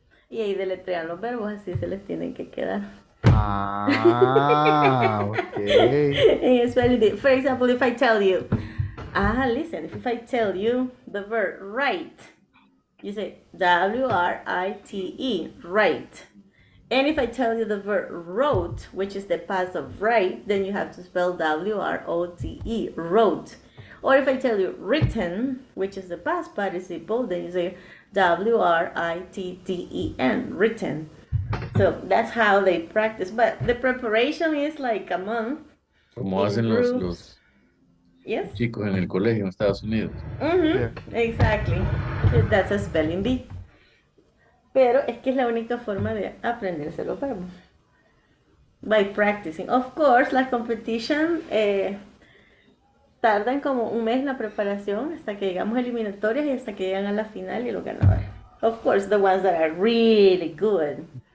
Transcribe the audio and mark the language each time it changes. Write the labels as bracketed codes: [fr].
[es] Y ahí deletrean los verbos, así se les tienen que quedar. [en] Ah, okay. In spelling bee. For example, if I tell you, listen, if I tell you the verb write, you say write, write. And if I tell you the verb wrote, which is the past of write, then you have to spell wrote, wrote. Or if I tell you written, which is the past participle, then you say written, written. So that's how they practice. But the preparation is like a month. [es] Como hacen los [en] yes? [es] chicos en el colegio en Estados Unidos. [en] Mm-hmm. Yeah. Exactly. That's a spelling bee. [es] Pero es que es la única forma de aprenderse los verbos. [en] By practicing. Of course, [es] la competition tardan como un mes en la preparación hasta que llegamos a eliminatorias y hasta que llegan a la final y los ganadores. [en] Of course, the ones that are really good.